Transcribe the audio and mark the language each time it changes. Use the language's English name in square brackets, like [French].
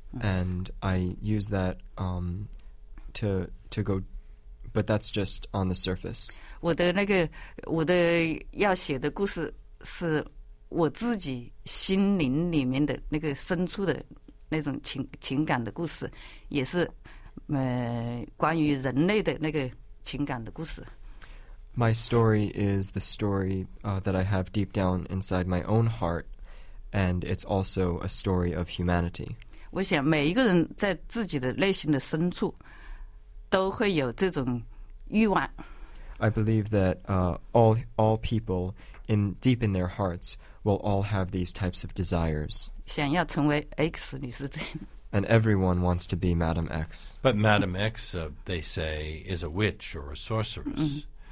[English] And I use that to go, but that's just on the surface. [Chinese] 我的那个我的要写的故事是。我自己心灵里面的那个深处的那种情感的故事，也是关于人类的那个情感的故事。 [English] My story is the story that I have deep down inside my own heart, and it's also a story of humanity. [Chinese] 我想每一个人在自己的内心的深处都会有这种欲望。 [English] I believe that all people in deep in their hearts. We'll all have these types of desires. [Chinese] 想要成为 X 女士这样。 [English] And everyone wants to be Madam X. But Madam X, they say, is a witch or a sorceress.